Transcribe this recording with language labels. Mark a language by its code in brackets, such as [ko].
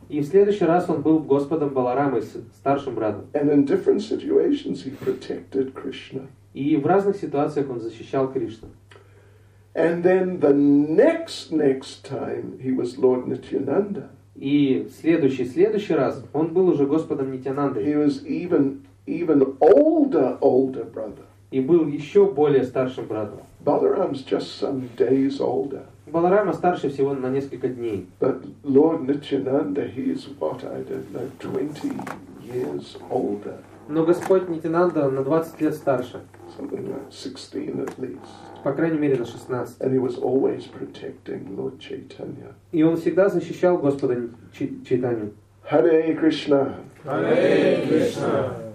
[ru] И в следующий раз он был господом Баларамы, старшим братом. [en] And in different situations he protected Krishna. [ru] И в разных ситуациях он защищал Кришну. [en] And then the next time he was Lord Nityananda. [ru] И следующий раз он был уже господом Нитянандой. [en] He was even older brother. [ru] И был еще более старшим братом. [en] Balaram's just some days older. [ru] Баларама старше всего на несколько дней. [en] But Lord Nityananda, he is what, I don't know, 20 years older. [ru] Но Господь Нитянанда на 20 лет старше. [en] Something like 16 at least. [ru] По крайней мере на 16. [en] And he was always protecting Lord Chaitanya. [ru] И он всегда защищал Господа Чайтанью. [sa] Hare Krishna. Hare Krishna.